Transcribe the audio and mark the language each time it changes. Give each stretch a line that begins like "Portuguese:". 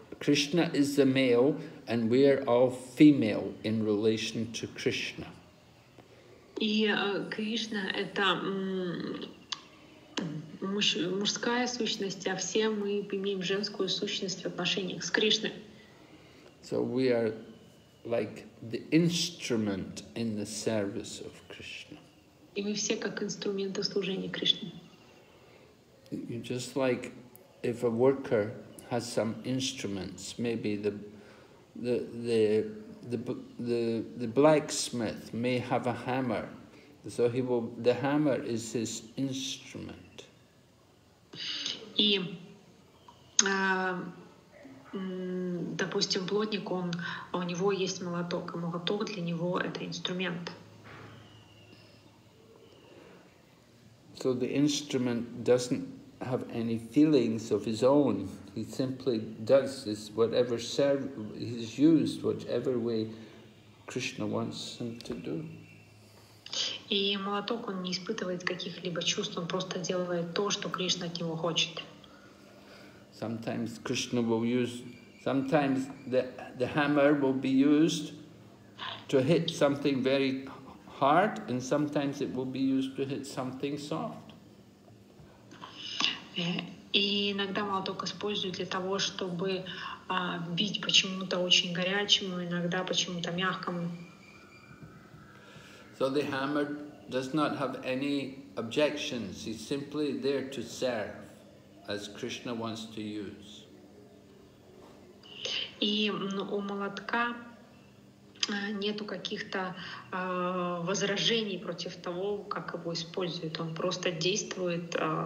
English: Krishna is the male, and we are all female in relation to Krishna.
Russian: И Кришна это мужская сущность, а все мы имеем женскую сущность в отношениях с Кришной.
English: So we are like the instrument in the service of Krishna.
Russian: И мы все как инструменты служения Кришне.
English: You're just like if a worker has some instruments, maybe the blacksmith may have a hammer, so he will. The hammer is his instrument.
Russian: И, допустим, плотник, он, у него есть молоток, и молоток для него это инструмент.
English: So the instrument doesn't have any feelings of his own. He simply does this whatever he's used, whichever way Krishna wants him to do.
Russian: И молоток он не испытывает каких-либо чувств, он просто делает то, что Кришна от него хочет.
English: Sometimes Krishna will use, sometimes the hammer will be used to hit something very hard, and sometimes it will be used to hit something soft.
Russian: И иногда молоток используют для того, чтобы бить почему-то очень горячему, иногда почему-то мягкому.
English: So the hammer does not have any objections. He's simply there to serve, as Krishna wants to use.
Russian: И у молотка нету каких-то возражений против того, как его используют. Он просто действует.